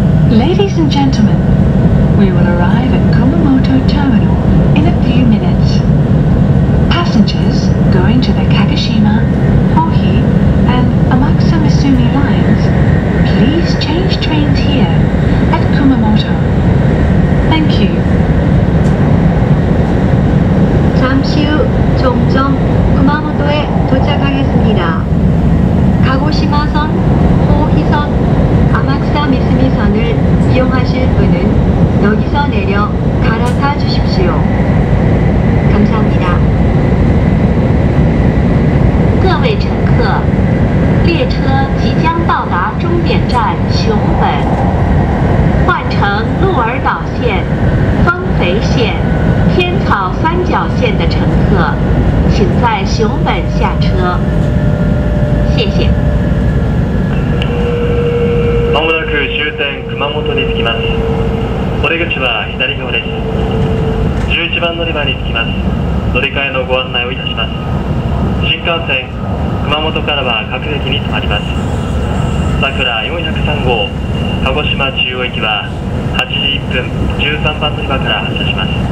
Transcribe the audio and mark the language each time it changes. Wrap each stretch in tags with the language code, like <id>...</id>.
<en>Ladies and gentlemen, we will arrive at Kumamoto Terminal in a few minutes. Passengers going to the Kagoshima, Hohi, and Amakusa Misumi lines, please change trains here at Kumamoto. Thank you.</en> <ko>잠시 후 종점 Kumamoto에 도착하겠습니다. Kagoshima선, Hohi선, Amakusa Misumi선을 이용하실 분은 여기서 내려 갈아타 주십시오. 감사합니다.</ko> <zh>各位乘客, 列车即将到达终点站熊本. 换乘鹿儿岛线, 丰肥线, 天草三角线的乘客, 请在熊本下车. 谢谢。</zh> <ja>まもなく終点熊本に着きます。折口は左側です。 11番乗り場に着きます。乗り換えのご案内をいたします。新幹線熊本からは各駅に停まります。さくら403号、鹿児島中央駅は8時1分13番乗り場から発車します。</ja>